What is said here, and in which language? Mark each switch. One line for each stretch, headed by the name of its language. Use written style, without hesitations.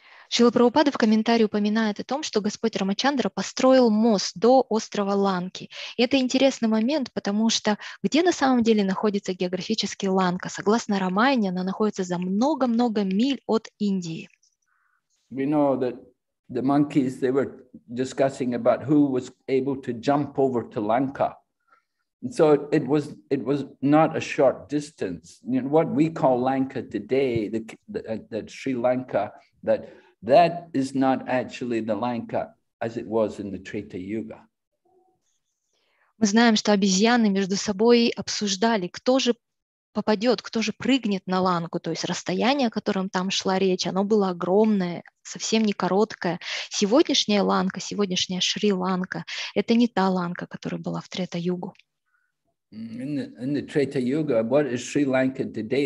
Russian: Шрила Прабхупада в комментарии упоминает о том, что Господь Рамачандра построил мост до острова Ланки. И это интересный момент, потому что где на самом деле находится географически Ланка? Согласно Рамаяне, она находится за много-много миль от Индии.
English: We know that the monkeys, they were discussing about who was able to jump over to Lanka. And so it was not a short distance. You know, what we call Lanka today, that Sri Lanka, that... That is not actually the Lanka as it was in the Treta Yuga.
Russian: Мы знаем, что обезьяны между собой обсуждали, кто же попадет, кто же прыгнет на Ланку. То есть расстояние, о котором там шла речь, оно было огромное, совсем не короткое. Сегодняшняя Ланка, сегодняшняя Шри-Ланка, это не та Ланка, которая была в Трета Югу.
English: In the Treta Yuga, what is Sri Lanka today?